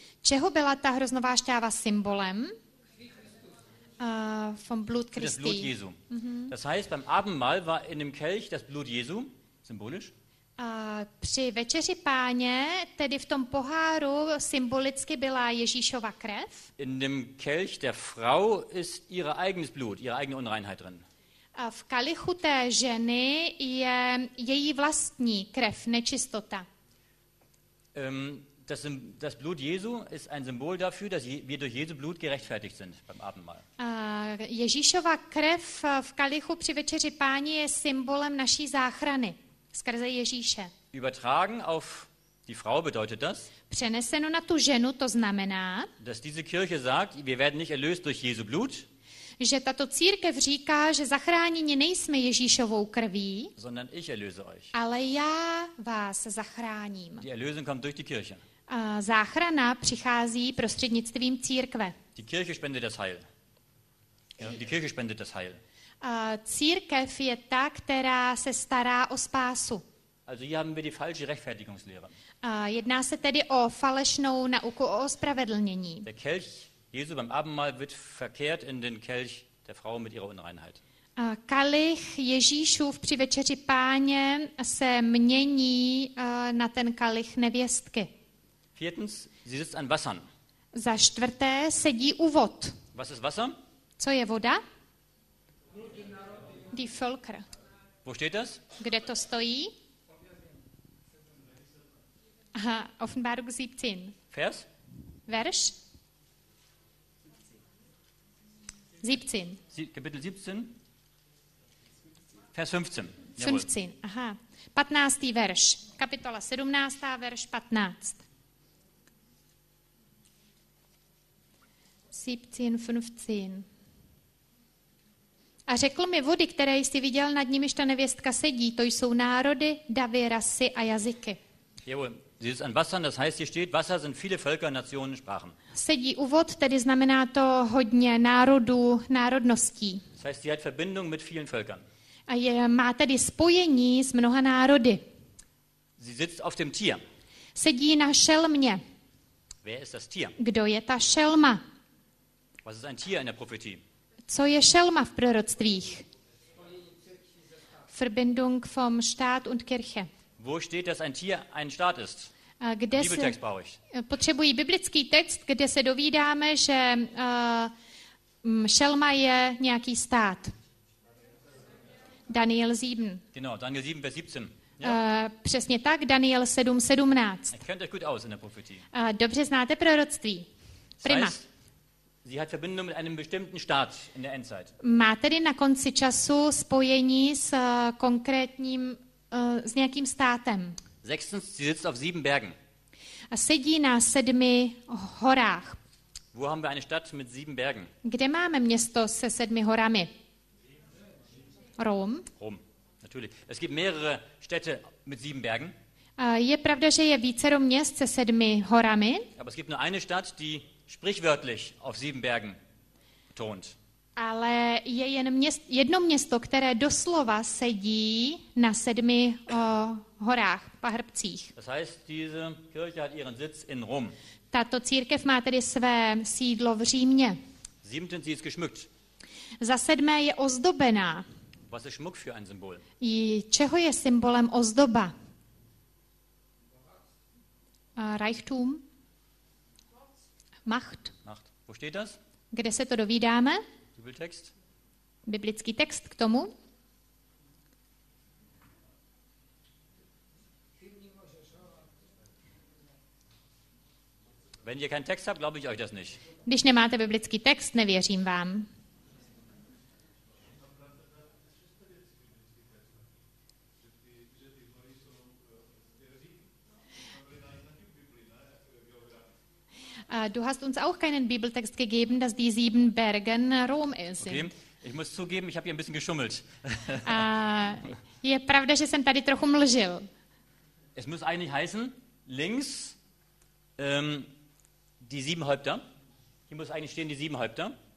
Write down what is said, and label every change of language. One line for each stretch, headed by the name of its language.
Czech: Čeho byla ta hroznová šťáva symbolem?
German: Vom Blut Christi. Das Blut Jesu. Mm-hmm. Das heißt, beim Abendmahl war in dem Kelch das Blut Jesu, symbolisch.
Czech: Při večeři páně, tedy v tom poháru, symbolicky byla Ježíšova krev.
German: In dem Kelch der Frau ist ihre eigenes Blut, ihre eigene Unreinheit drin.
Czech: V kalichu té ženy je její vlastní krev, nečistota.
German: Das Blut Jesu ist ein Symbol dafür, dass wir durch Jesu Blut gerechtfertigt sind beim Abendmahl.
Czech: Ježíšova krev v kalichu při večeři páně je symbolem naší záchrany skrze Ježíše.
German: Übertragen auf die Frau bedeutet das,
Czech: přeneseno na tu ženu to znamená,
German: dass diese Kirche sagt, wir werden nicht erlöst durch Jesu Blut,
Czech: že tato církev říká, že zachráněni nejsme Ježíšovou krví,
German: sondern ich erlöse euch.
Czech: Ale já vás zachráním.
German: Die Erlösung kommt durch die Kirche.
Czech: Záchrana přichází prostřednictvím církve.
German: Die Kirche spendet das Heil. Die Kirche spendet das Heil.
Czech: Církev je ta, která se stará o spásu.
German: Also hier haben wir die falsche Rechtfertigungslehre.
Czech: Jedná se tedy o falešnou nauku o ospravedlnění.
German: Der Kelch Jesu beim Abendmahl wird verkehrt in den Kelch der Frau mit ihrer Unreinheit.
Czech: Kalich Ježíšův při večeři Páně se mění na ten kalich nevěstky.
German: Viertens, sie sitzt an Wassern.
Czech: Za čtvrté, sedí u vod.
German: Was ist Wasser?
Czech: Co je voda?
German: Die Völker. Wo steht das?
Czech: Kde to stojí?
German: Aha, Offenbarung 17. Vers? Vers? 17. Kapitel 17, Vers 15. 15, jawohl. Aha. 15. Vers.
Czech: Kapitola 17.
German: Vers 15. 17, 15.
Czech: A řekl mi, vody, které jsi viděl, nad nimiž ta nevěstka sedí, to jsou národy, davy, rasy a jazyky.
German: Jawohl. Sie ist an Wassern, das heißt, hier steht, Wasser sind viele Völker, Nationen, Sprachen.
Czech: Sedí u vod, tedy znamená to hodně národů, národností.
German: Das heißt, sie hat Verbindung mit vielen Völkern.
Czech: A je, má tedy spojení s mnoha národy.
German: Sie sitzt auf dem Tier.
Czech: Sedí na šelmě.
German: Wer ist das Tier?
Czech: Kdo je ta šelma?
German: Was ist ein Tier in der Prophetie?
Czech: Co je šelma v proroctvích?
German: Verbindung vom Staat und Kirche. Wo steht, dass ein Tier ein Staat ist?
Czech: Kde
German: Bibeltext brauche ich.
Czech: Potřebuji biblický text, kde se dovídáme, že šelma je nějaký stát.
German: Daniel 7. Genau, Daniel 7, Vers 17.
Czech: Ja. Přesně tak, Daniel 7, 17.
German: Ich kennt euch gut aus in der Prophetie.
Czech: Dobře znáte proroctví. Prima.
German: Das heißt, sie hat Verbindung mit einem bestimmten Staat in der Endzeit.
Czech: Má tedy na konci času spojení s konkrétním s nějakým státem.
German: Sechstens, sie sitzt auf sieben Bergen.
Czech: A sedí na sedmi horách.
German: Wo haben wir eine Stadt mit sieben Bergen?
Czech: Kde máme město se sedmi horami?
German: Rom. Rom, natürlich. Es gibt mehrere Städte mit sieben Bergen.
Czech: Je pravda, že je vícero měst se sedmi horami.
German: Aber es gibt nur eine Stadt, die sprichwörtlich auf sieben Bergen thront.
Czech: Ale je jen jedno město, které doslova sedí na sedmi horách, pahrbcích.
German: Das heißt, diese Kirche hat ihren Sitz in Rom.
Czech: Tato církev má tedy své sídlo v Římě.
German: Siebten, sie ist geschmückt.
Czech: Za sedmé je ozdobená.
German: Was ist Schmuck für ein Symbol?
Czech: Čeho je symbolem ozdoba?
German: Reichtum. Macht. Macht. Wo steht das?
Czech: Kde se to dovídáme?
German: Bibeltext.
Czech: Biblický text k tomu.
German: Wenn ihr keinen Text habt, glaube ich euch das nicht.
Czech: Když nemáte biblický text, nevěřím vám.
German: Du hast uns auch keinen Bibeltext gegeben, dass die sieben Berge Rom sind. Okay. Ich muss zugeben, ich habe hier ein bisschen geschummelt.
Czech: Je pravda, že jsem tady trochu mlžil.
German: Es muss eigentlich heißen, links die sieben Häupter. Hier muss eigentlich stehen die sieben Häupter.